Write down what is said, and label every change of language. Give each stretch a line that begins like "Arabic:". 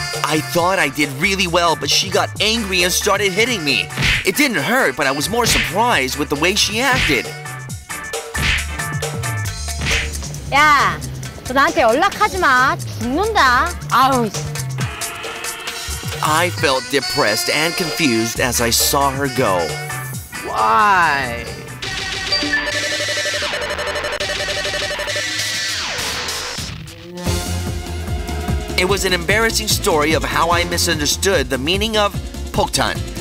English: I thought I did really well, but she got angry and started hitting me. It didn't hurt, but I was more surprised with the way she acted.
Korean: 야, 너 나한테 연락하지 마. 죽는다. 아우.
English: I felt depressed and confused as I saw her go. Why? It was an embarrassing story of how I misunderstood the meaning of poktan.